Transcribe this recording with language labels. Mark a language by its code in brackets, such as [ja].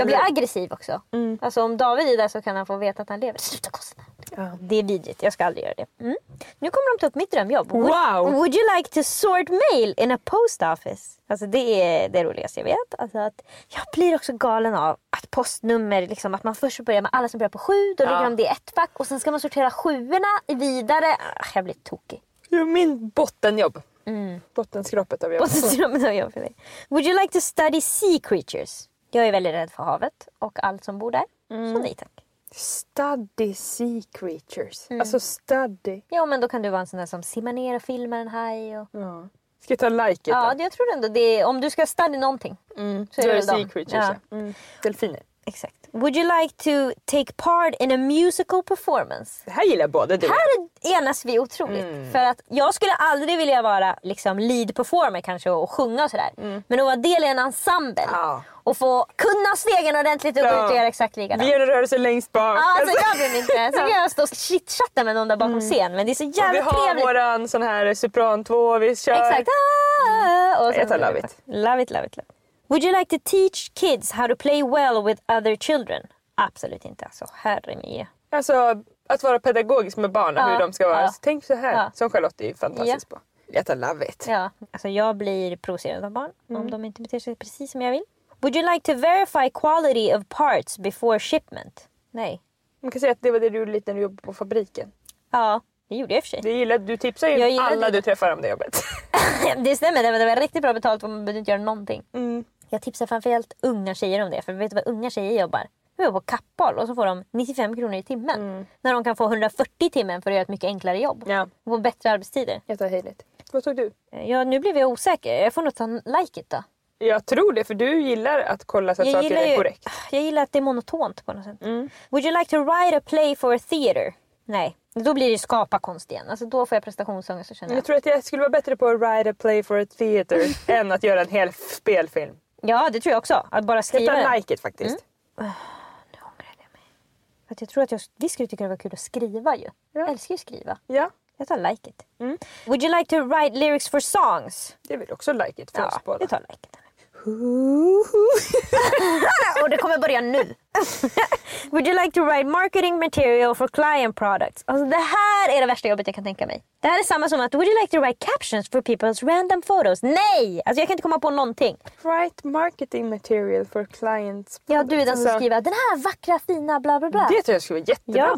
[sv] Jag blir aggressiv också. Alltså, om David är där så kan han få veta att han lever. Sluta kostnad. Det är vidrigt, jag ska aldrig göra det. Nu kommer de ta upp mitt drömjobb. [en] Would you like to sort mail in a post office? [sv] Alltså, det är det roligaste jag vet. Alltså, att jag blir också galen av att postnummer, liksom, att man först börjar med alla som börjar på 7, då lägger de det i ett fack, och sen ska man sortera 7:orna vidare. Jag blir tokig. Det är min bottenjobb. Bottenskrapet av jobb för dig. [en] Would you like to study sea creatures? [sv] Jag är väldigt rädd för havet och allt som bor där. Så nej tack. [en] Study sea creatures. Alltså, study. [sv] Ja, men då kan du vara en sån där som simmar ner och filmar en haj och... Ja. Ska jag ta like då? Ja, det tror jag ändå. Det är, om du ska study någonting, så är det sea creatures. Ja. Delfiner. Exakt. [en] Would you like to take part in a musical performance? [sv] Det här gillar både du. Här enas vi otroligt. För att jag skulle aldrig vilja vara liksom lead performer kanske och sjunga och sådär. Men att vara del i en ensemble. Ja. Och få kunna stegen ordentligt och gå ut och göra exakt likadant. Vi gör en rörelse längst bak. Ja, alltså, jag blir inte. Så kan jag stå och chitchatta med någon där bakom scen. Men det är så jävla trevligt. Vi har våran sån här sopran 2 och vi kör. Exakt. Och jag tar [en] love it. Love it. Would you like to teach kids how to play well with other children? [sv] Absolut inte. Alltså, herre mig. Alltså, att vara pedagogisk med barn och hur de ska vara. Alltså, tänk så här. Som Charlotte är fantastisk på. Jag tar [en] love it. [sv] Ja, alltså, jag blir provocerad av barn om de inte beter sig precis som jag vill. [en] Would you like to verify quality of parts before shipment? [sv] Nej. Man kan säga att det var det du gjorde lite när du jobbade på fabriken. Ja, det gjorde jag i och för sig. Det gillade, du tipsar ju alla du träffar om det jobbet. Det stämmer, det var riktigt bra betalt och man behövde inte göra någonting. Jag tipsar framförallt unga tjejer om det, för vet du vad unga tjejer jobbar? De jobbar på Kappahl och så får de 95 kronor i timmen. När de kan få 140 timmen för att göra ett mycket enklare jobb. Ja. Och få bättre arbetstider. Jag tar hejligt. Vad tog du? Ja, nu blev jag osäker. Jag får nog ta [en] like it [sv] då. Jag tror det, för du gillar att kolla så att saker är korrekt. Jag gillar att det är monotont på något sätt. [en] Would you like to write a play for a theater? [sv] Nej, då blir det skapa konst igen. Alltså, då får jag prestationsångest så känner jag. Jag tror att jag skulle vara bättre på att [en] write a play for a theater [sv] än att göra en hel spelfilm. Ja, det tror jag också. Att bara skriva det. [en] Like it [sv] faktiskt. Nu ångrar jag mig. För att jag tror att vi skulle tycka det var kul att skriva ju. Ja. Jag älskar ju skriva. Ja. Jag tar [en] like it. Would you like to write lyrics for songs? [sv] Det vill också [en] like it [sv] för oss båda. Ja, jag tar [en] like it. [sv] Och det kommer börja nu. [en] Would you like to write marketing material for client products? [sv] Alltså det här är det värsta jobbet jag kan tänka mig. Det här är samma som att [en] would you like to write captions for people's random photos? [sv] Nej! Alltså jag kan inte komma på någonting. [en] Write marketing material for clients [sv] products. Ja, du är den som skriver den här vackra, fina bla bla bla. Det tror jag skulle vara jättebra.